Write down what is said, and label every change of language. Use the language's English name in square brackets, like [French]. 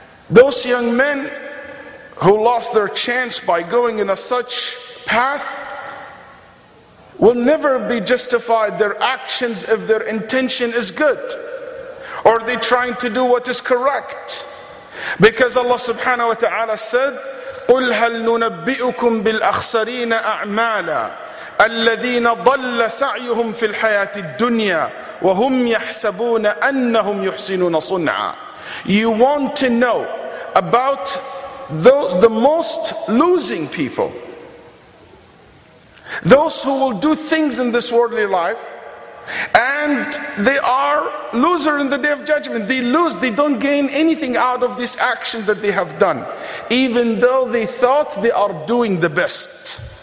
[English] Those young men who lost their chance by going in a such path will never be justified their actions if their intention is good. Or are they trying to do what is correct? Because Allah subhanahu wa ta'ala said, [Arabic] قُلْ هَلْ نُنَبِّئُكُمْ بِالْأَخْسَرِينَ أَعْمَالًا الَّذِينَ ضَلَّ سَعْيُهُمْ فِي الْحَيَاةِ الدُّنْيَا وَهُمْ يَحْسَبُونَ أَنَّهُمْ يُحْسِنُونَ صُنْعًا. [English] You want to know about those, the most losing people, those who will do things in this worldly life and they are loser in the day of judgment. They lose, they don't gain anything out of this action that they have done, even though they thought they are doing the best.